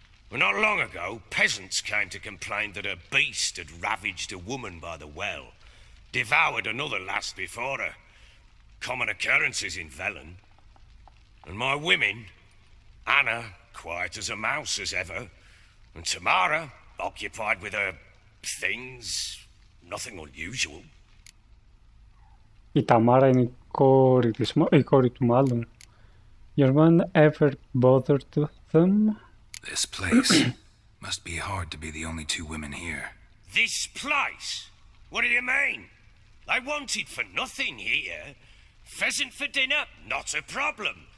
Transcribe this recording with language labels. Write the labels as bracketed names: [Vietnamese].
[English] Well, not long ago, peasants came to complain that a beast had ravaged a woman by the well, devoured another lass before her. Common occurrences in Velen. And my women, Anna, quiet as a mouse as ever, and Tamara, occupied with her things, nothing unusual. [Greek] Η Tamara είναι η κόρη του μάλλον. [English] Your man ever bothered them? This place must be hard to be the only two women here. This place? What do you mean? They wanted for nothing here. Pheasant for dinner, not a problem.